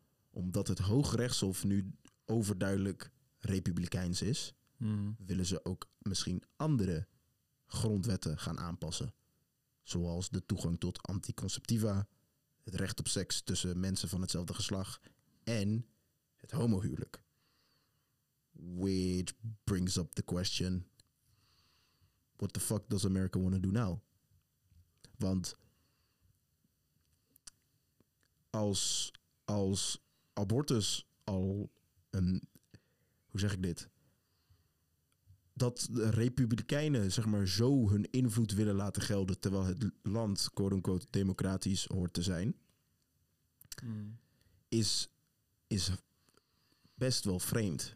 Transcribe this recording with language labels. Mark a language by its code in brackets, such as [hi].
[nl] Omdat het Hoogrechtshof nu overduidelijk republikeins is, willen ze ook misschien andere grondwetten gaan aanpassen. Zoals de toegang tot anticonceptiva, het recht op seks tussen mensen van hetzelfde geslacht en het homohuwelijk. [en] Which brings up the question, what the fuck does America want to do now? [nl] Want als abortus al een, hoe zeg ik dit? Dat de republikeinen zeg maar zo hun invloed willen laten gelden, terwijl het land quote-unquote democratisch hoort te zijn, is best wel vreemd.